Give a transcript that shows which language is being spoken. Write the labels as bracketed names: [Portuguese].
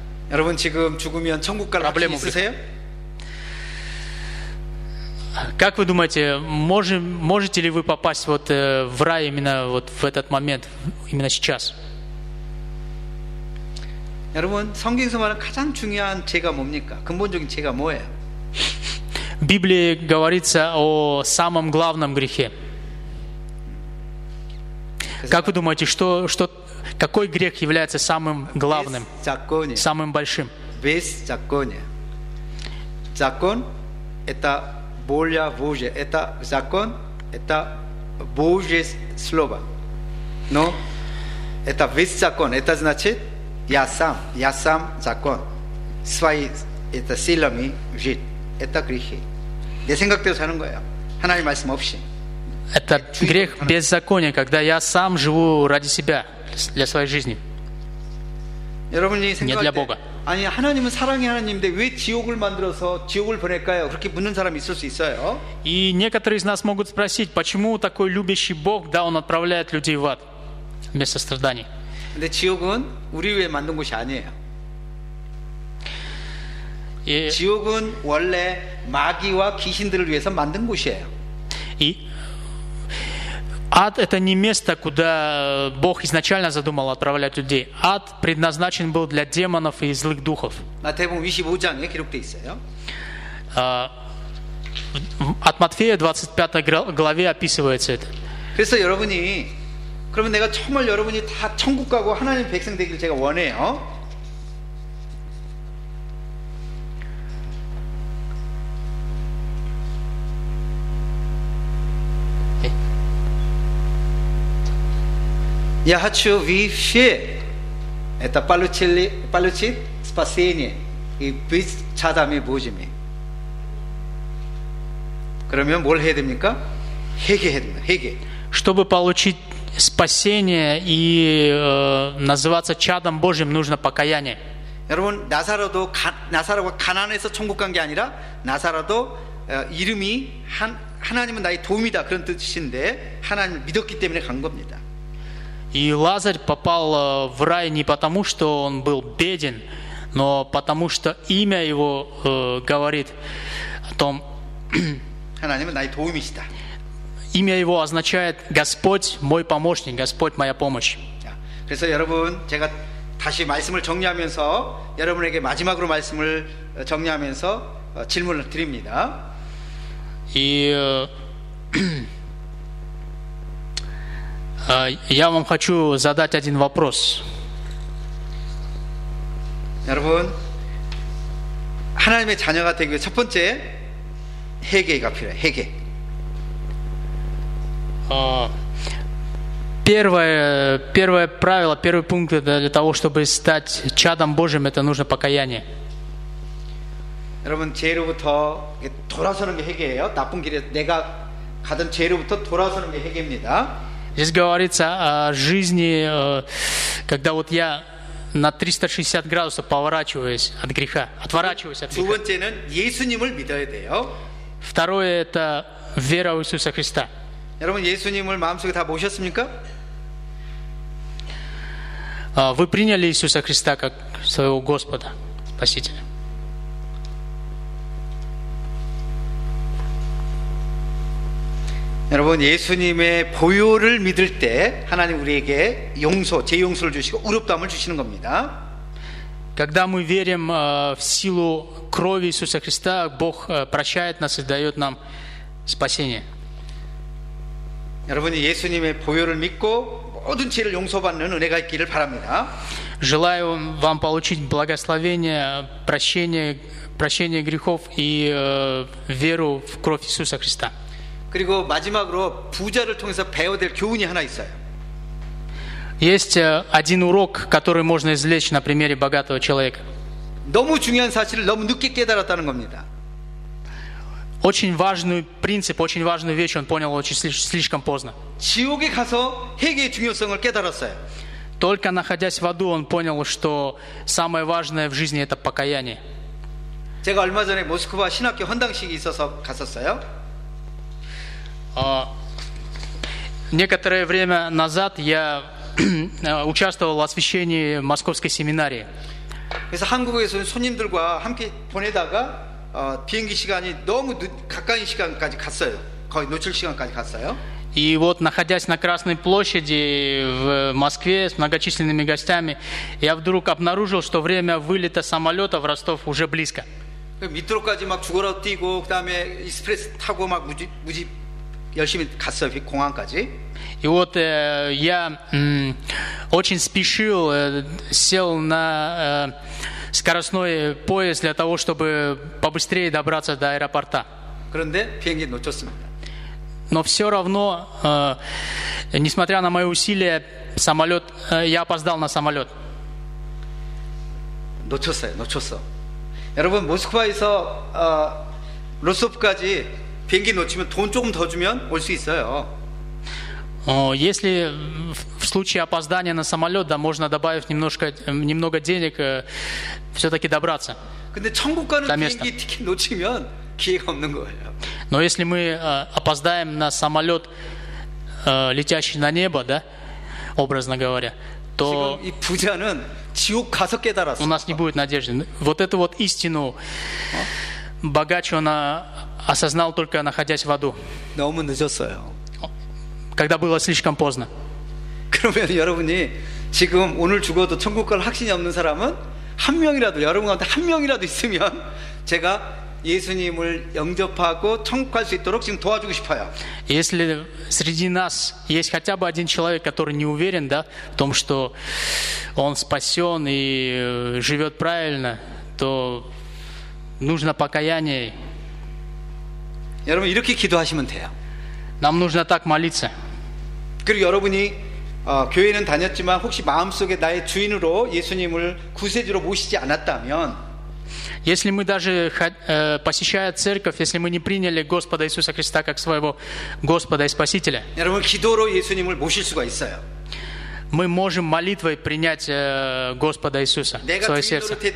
[Korean] 여러분, 지금 죽으면 천국 갈 확신 있으세요? [Russian] Как вы думаете, можете ли вы попасть вот в рай именно вот в этот момент, именно сейчас? [Korean] 여러분, 성경에서 말하는 가장 중요한 죄가 뭡니까? 근본적인 죄가 뭐예요? [Russian] В Библии говорится о самом главном грехе. Как вы думаете, что какой грех является самым главным, самым большим? Беззаконие. Закон – это Воля Божья. Это закон, это Божье слово. Но это весь закон. Это значит, я сам закон. Свои это силами жить. Это грехи. [Korean] Не сенгакдео сану гоя. Ханаим марсим опши. [Russian] Это грех беззакония, когда я сам живу ради себя, для своей жизни. Не для Бога. [Korean] 아니 하나님은 사랑의 하나님인데 왜 지옥을 만들어서 지옥을 보낼까요? 그렇게 묻는 사람이 있을 수 있어요. [Russian] И некоторые из нас могут спросить, почему такой любящий Бог, да, он отправляет людей в ад вместо страданий. [Korean] 근데 지옥은 우리 위해 만든 곳이 아니에요. 예. 지옥은 원래 마귀와 귀신들을 위해서 만든 곳이에요. [Russian] 이 Ад – это не место, куда Бог изначально задумал отправлять людей. Ад предназначен был для демонов и злых духов. От Матфея 25 главе описывается это. [Korean] 그래서 여러분이, 그러면 내가 정말 여러분이 다 천국 가고 하나님 백성 되기를 제가 원해요. [Russian] Я хочу вещи. Это получить спасение. и быть чадами Божьими. [Korean] 그러면 뭘 해야 됩니까? 회개해야 됩니다. 회개. [Russian] Чтобы получить спасение и называться чадом Божьим, нужно покаяние. [Korean] 여러분, 나사로도 나사로가 가난해서 천국 간 게 아니라 나사로도 이름이 하나님은 나의 도움이다 그런 뜻인데 하나님 믿었기 때문에 간 겁니다. [Russian] И Лазарь попал в рай не потому, что он был беден, но потому, что имя его говорит о том, [Korean] 하나님은 나의 도움이시다. [Russian] Имя его означает Господь мой помощник, Господь моя помощь. [Korean] 자, 그래서 여러분 제가 다시 말씀을 정리하면서 여러분에게 마지막으로 말씀을 정리하면서 질문을 드립니다. [Russian] 이 Я вам хочу задать один вопрос. [Korean] 여러분, 하나님의 자녀가 되기 첫 번째 회개가 필요해. 회개. [Russian] Первое правило, первый пункт для того, чтобы стать чадом Божьим, это нужно покаяние. [Korean] 여러분, 죄로부터 돌아서는 게 회개예요. 나쁜 길에 내가 가던 죄로부터 돌아서는 게 회개입니다. [Russian] Здесь говорится о жизни, когда вот я на 360 градусов поворачиваюсь от греха, отворачиваюсь от греха. [Korean] 두 번째는 예수님을 믿어야 돼요. [Russian] Второе – это вера в Иисуса Христа. [Korean] 여러분, 예수님을 마음속에 다 모셨습니까? [Russian] Вы приняли Иисуса Христа как своего Господа, Спасителя. [Korean] 여러분, 예수님의 보혈을 믿을 때 하나님 우리에게 용서, 죄 용서를 주시고 의롭다함을 주시는 겁니다. [Russian] Когда мы верим в силу крови Иисуса Христа, Бог прощает нас и дает нам спасение. [Korean] 여러분, 예수님의 보혈을 믿고 모든 죄를 용서받는 은혜가 있기를 바랍니다. [Russian] Желаю вам получить благословение, прощение грехов и веру в кровь Иисуса Христа. [Korean] 그리고 마지막으로 부자를 통해서 배워야 될 교훈이 하나 있어요. [Russian] Есть один урок, который можно извлечь на примере богатого человека. [Korean] 너무 중요한 사실을 너무 늦게 깨달았다는 겁니다. [Russian] Очень важный принцип, очень важную вещь он понял очень слишком поздно. [Korean] 지옥에 가서 회개의 중요성을 깨달았어요. [Russian] Только находясь в аду, он понял, что самое важное в жизни это покаяние. [Korean] 제가 얼마 전에 모스크바 신학교 헌당식이 있어서 갔었어요. [Russian] Некоторое время назад я участвовал в освящении московской семинарии. [Korean] 그래서 한국에서 손님들과 함께 보내다가 비행기 시간이 너무 가까운 시간까지 갔어요. 거의 노출 시간까지 갔어요. [Russian] И вот, находясь на Красной площади в Москве с многочисленными гостями, я вдруг обнаружил, что время вылета самолета в Ростов уже близко. [Korean] 미트로까지 막 죽어라 뛰고 그다음에 익스프레스 타고 막 무지 열심히 갔어요, 공항까지. [Russian] И вот я очень спешил, сел на скоростной поезд для того, чтобы побыстрее добраться до аэропорта. [Korean] 그런데 비행기 놓쳤습니다. [Russian] Но все равно, несмотря на мои усилия, самолет, я опоздал на самолет. [Korean] 놓쳤어요, 놓쳤어. 여러분, 모스크바에서 로스톱까지 비행기 놓치면 돈 조금 더 주면 올 수 있어요. [Russian] Если в случае опоздания на самолет, да, можно добавив немного денег, все-таки добраться. [Korean] 근데 천국 가는 비행기 티켓 놓치면 기회가 없는 거예요. [Russian] Но если мы опоздаем на самолет, летящий на небо, да, образно говоря, то [Korean] 지금 이 부자는 지옥 가서 깨달았어. [Russian] У нас не будет надежды. Вот эту вот истину богач он осознал только находясь в аду. [Korean] 너무 늦었어요. [Russian] Когда было слишком поздно. [Korean] 그러면 여러분이 지금 오늘 죽어도 천국 갈 확신이 없는 사람은 한 명이라도 여러분 가운데 한 명이라도 있으면 제가 예수님을 영접하고 천국 갈 수 있도록 지금 도와주고 싶어요. [Russian] Если среди нас есть хотя бы один человек, который не уверен, да, в том, что он спасен и живет правильно, то нужно покаяние. [Korean] 여러분 이렇게 기도하시면 돼요. [Russian] Нам нужно так молиться. [Korean] 그리고 여러분이 교회는 다녔지만 혹시 마음속에 나의 주인으로 예수님을 구세주로 모시지 않았다면 [Russian] Если мы даже посещая церковь, если мы не приняли Господа Иисуса Христа как своего Господа и Спасителя, [Korean] 여러분, 기도로 예수님을 모실 수가 있어요. [Russian] Мы можем молитвой принять Господа Иисуса в свое сердце.